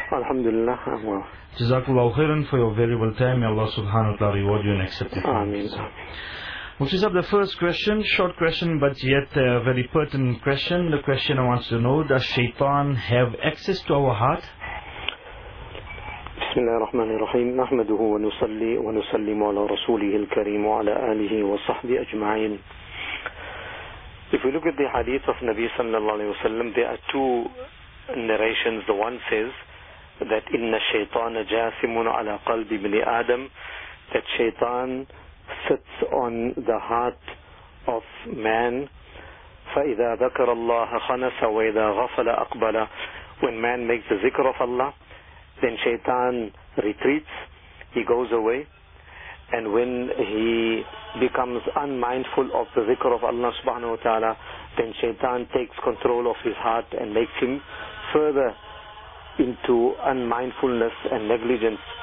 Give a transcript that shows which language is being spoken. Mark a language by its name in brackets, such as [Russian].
[English] Alhamdulillah, I'm well. Jazakullah khairan for your valuable time. May Allah subhanahu wa ta'ala reward you and accept it. Ameen. Mufti Sahab, the first question, short question, but yet a very pertinent question. The question I want to know, does Shaitan have access to our heart? [Arabic] بسم الله الرحمن الرحيم نحمده ونصلي ونسلم على رسوله الكريم وعلى آله وصحبه أجمعين. [English] If we look at the hadith of Nabi sallallahu alayhi wa sallam, there are two narrations. The one says that [Arabic] إن الشيطان جاسم على قلب ابن آدم, [English] that Shaitan sits on the heart of man. [Arabic] فإذا ذكر الله خنس وإذا غفل أقبل. [English] When man makes the zikr of Allah, then Shaitan retreats, he goes away, and when he becomes unmindful of the zikr of Allah subhanahu wa ta'ala, then Shaitan takes control of his heart and makes him further into unmindfulness and negligence.